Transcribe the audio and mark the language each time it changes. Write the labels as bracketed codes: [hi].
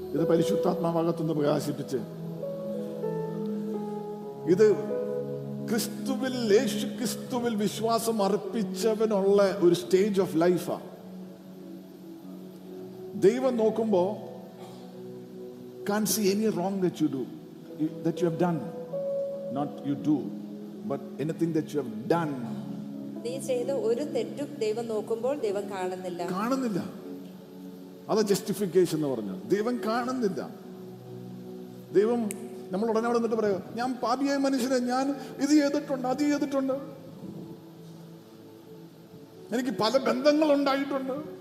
[ml] പരിശുദ്ധാത്മാവകത്തുനിന്ന് പ്രകാശിപ്പിച്ച് ഇത് ക്രിസ്തുവിൽ, യേശു ക്രിസ്തുവിൽ വിശ്വാസം അർപ്പിച്ചവനുള്ള ഒരു [en] Stage of ലൈഫാ. [ml] ദൈവം നോക്കുമ്പോ [en] can't see any wrong that you do, that you have done, not you do, but anything that you have done. [ml] നീ ചെയ്ത ഒരു തെറ്റും ദൈവം നോക്കുമ്പോൾ ദൈവം കാണുന്നില്ല. കാണുന്നില്ല, അത് ജസ്റ്റിഫിക്കേഷൻ എന്ന് പറഞ്ഞു. ദൈവം കാണുന്നില്ല. ദൈവം നമ്മൾ ഉടനെ അവിടെ നിന്നിട്ട് പറയുക, ഞാൻ പാപിയായ മനുഷ്യനെ, ഞാൻ ഇത് ചെയ്തിട്ടുണ്ട്, അത് ചെയ്തിട്ടുണ്ട്, എനിക്ക് പല ബന്ധങ്ങൾ ഉണ്ടായിട്ടുണ്ട്.